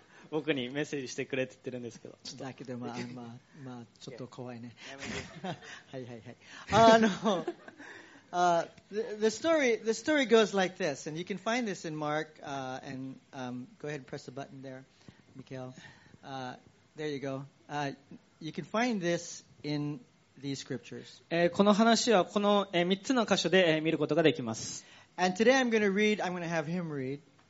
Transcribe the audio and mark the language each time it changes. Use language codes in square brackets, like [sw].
[ja] 僕にメッセージしてくれって言ってるんですけど。だけどまあちょっと怖いね。はいはいはい。 [en] the story goes like this, and you can find this in Mark. Go ahead and press the button there, Mikhail. There you go. You can find this in these scriptures. [ja] この話はこの3つの箇所で見ることができます。 [en] And today I'm going to read, I'm going to have him read.